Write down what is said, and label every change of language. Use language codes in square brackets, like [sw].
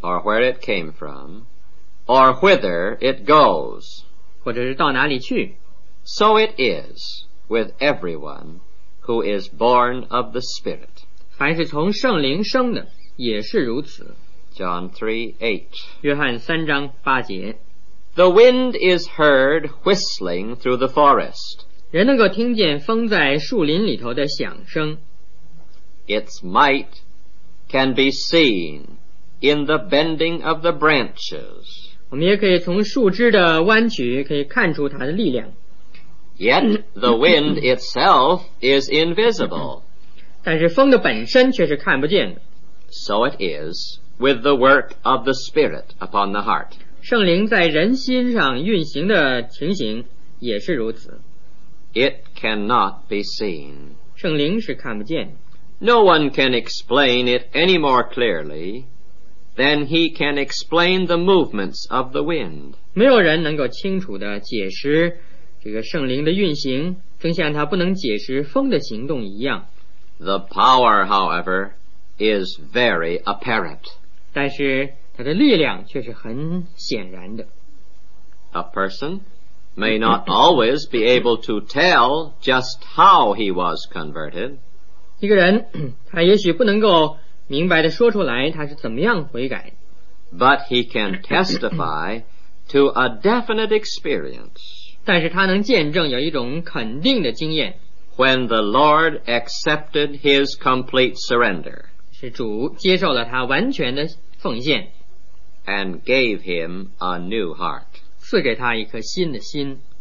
[en] Or where it came from，or whither it goes， [zh] 或者是到哪里去。 [en] So it is with everyone who is born of the Spirit， [zh] 凡是从圣灵生的也是如此。 [en] John 3:8， [zh] 约翰三章八节。 [en] The wind is heard whistling through the forest， [zh] 人能够听见风在树林里头的响声。 [en] Its might can be seen in the bending of the branches， [zh] 我们也可以从树枝的弯曲可以看出它的力量。 [en] Yet the wind itself is invisible， [zh] 但是风的本身却是看不见的。 [en] So it is with the work of the Spirit upon the heart， [zh] 圣灵在人心上运行的情形也是如此。 [en] It cannot be seen， [zh] 圣灵是看不见。 [en] No one can explain it any more clearlyThen he can explain the movements of the wind， [zh] 没有人能够清楚地解释这个圣灵的运行，正像他不能解释风的行动一样。 [en] The power, however, is very apparent， [zh] 但是他的力量却是很显然的。 [en] A person may not always be able to tell just how he was converted， [zh] 一个人他也许不能够明白地说出来他是怎么样悔改。 [en] But he can testify to a definite experience， [zh] 但是他能见证有一种肯定的经验。 [en] When the Lord accepted his complete surrender， [zh] 是主接受了他完全的奉献。 [en] And gave him a new heart， [zh] 赐给他一颗新的心。